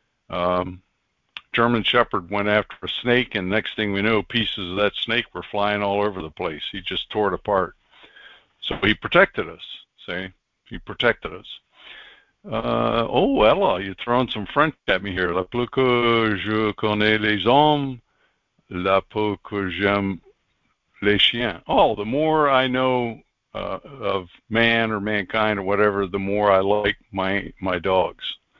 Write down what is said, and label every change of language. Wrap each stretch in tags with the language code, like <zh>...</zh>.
<en>German Shepherd went after a snake, and next thing we know, pieces of that snake were flying all over the place. He just tore it apart. So he protected us, see? He protected us. Ella, you're throwing some French at me here.</en> <fr>La plus que je connais les hommes, la plus que j'aime les chiens.</fr> <en>Oh, the more I know of man or mankind or whatever, the more I like my dogs.</en>